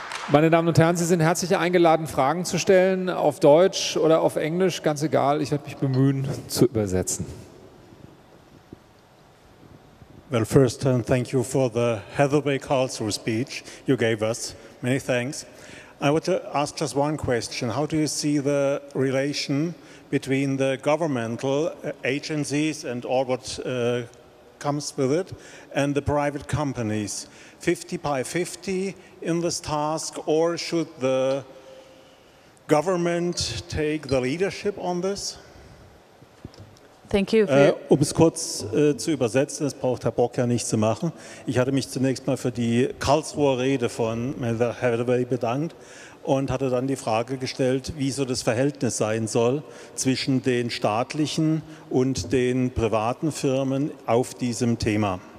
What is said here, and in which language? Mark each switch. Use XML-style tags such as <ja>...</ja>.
<de>Meine Damen und Herren, Sie sind herzlich eingeladen, Fragen zu stellen, auf Deutsch oder auf Englisch, ganz egal. Ich werde mich bemühen, zu übersetzen.</de> <en>Well, first, thank you for the Hathaway Karlsruhe speech you gave us. Many thanks. I would ask just one question. How do you see the relation between the governmental agencies and all what comes with it and the private companies? 50-50 in this task, or should the government take the leadership on this? Thank you.</en> <de>Um es kurz zu übersetzen, das braucht Herr Bock ja nicht zu machen. Ich hatte mich zunächst mal für die Karlsruher Rede von Heather Hathaway bedankt und hatte dann die Frage gestellt, wie so das Verhältnis sein soll zwischen den staatlichen und den privaten Firmen auf diesem Thema.</de>